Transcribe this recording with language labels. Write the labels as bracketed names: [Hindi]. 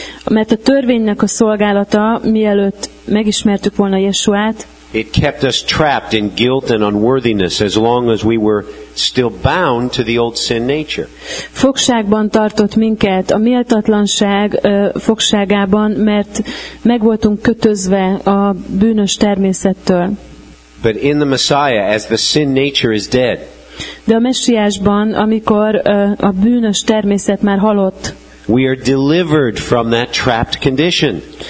[Hungarian] mert a törvénynek a szolgálata, mielőtt megismertük volna Yeshuát, [English] it kept us trapped in guilt and unworthiness as long as we were still bound to the old sin nature. [Hungarian] Fogságban tartott minket a méltatlanság fogságában, mert megvoltunk kötözve a bűnös természettől. [English] But in the Messiah, as the sin nature is dead. [Hungarian] De a Messiásban, amikor a bűnös természet már halott. [English] We are delivered from that trapped condition.